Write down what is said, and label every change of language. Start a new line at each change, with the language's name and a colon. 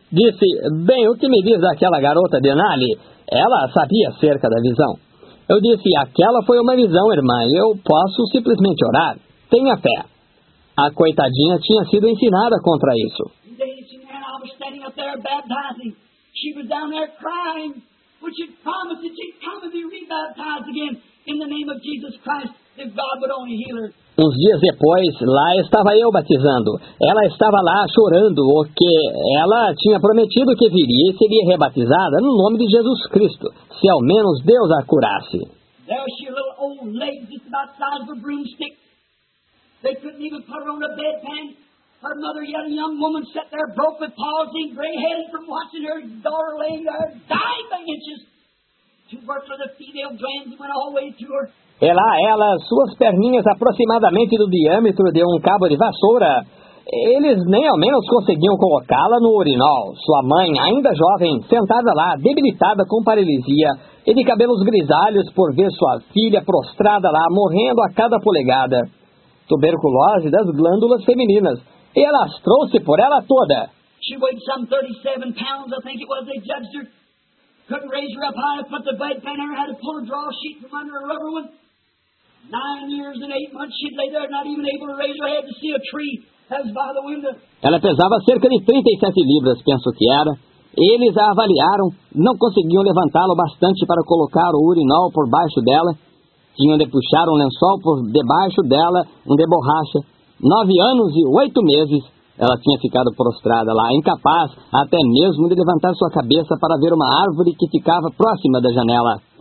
Portuguese: Disse, bem, o que me diz aquela garota Denali? Ela sabia acerca da visão. Eu disse, aquela foi uma visão, irmã. Eu posso simplesmente orar. Tenha fé. A coitadinha tinha sido ensinada contra isso.
English: Standing up there baptizing. She was down there crying, but she promised that she'd come and be rebaptized again in the name of Jesus Christ if God would only heal her.
Portuguese: Uns dias depois, lá estava eu batizando. Ela estava lá chorando, porque ela tinha prometido que viria e seria rebatizada no nome de Jesus Cristo, se ao menos Deus a curasse.
English: There she had little old legs just about the size of a broomstick. They couldn't even put her on a bedpan. Her mother, yet a young woman, sat there, broke with palsy, gray-headed from watching her daughter laying there, dying by inches. To work for the female glands went all the way to her.
Portuguese: E lá ela, suas perninhas aproximadamente do diâmetro de um cabo de vassoura. Eles nem ao menos conseguiam colocá-la no urinol. Sua mãe, ainda jovem, sentada lá, debilitada com paralisia, e de cabelos grisalhos por ver sua filha prostrada lá, morrendo a cada polegada. Tuberculose das glândulas femininas. E ela as trouxe por ela toda.
English: She weighed some 37 pounds, I think it was, they judged her. Couldn't raise her up high, put the bedpan in her, had to pull a draw sheet from under her rubber one. 9 years and 8 months she'd lay there, not even able to raise her head to see a tree.
Portuguese: Ela pesava cerca de 37 libras, penso que era. Eles a avaliaram, não conseguiam levantá-la bastante para colocar o urinol por baixo dela. Tinham de puxar um lençol por debaixo dela, um de borracha. 9 anos e 8 meses, ela tinha ficado prostrada lá, incapaz até mesmo de levantar sua cabeça para ver uma árvore que ficava próxima da janela.